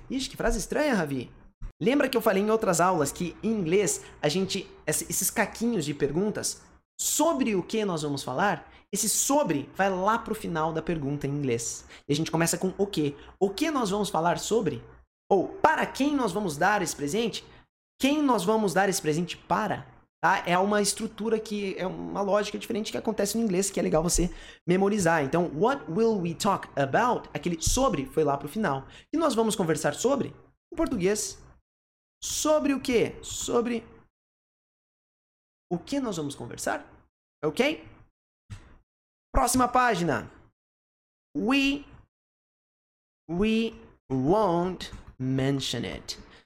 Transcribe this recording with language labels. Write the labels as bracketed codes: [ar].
[pt] Ixi, que frase estranha, Ravi. Lembra que eu falei em outras aulas que em inglês a gente, esses caquinhos de perguntas, sobre o que nós vamos falar, esse sobre vai lá pro final da pergunta em inglês. E a gente começa com o quê? O que nós vamos falar sobre? Ou para quem nós vamos dar esse presente? Quem nós vamos dar esse presente para? Tá? É uma estrutura que é uma lógica diferente que acontece no inglês, que é legal você memorizar. [en] Então, what will we talk about? [pt] Aquele sobre foi lá pro final. E nós vamos conversar sobre? Em português. Sobre o quê? Sobre o que nós vamos conversar? Ok? Próxima página. [en] We won't mention it.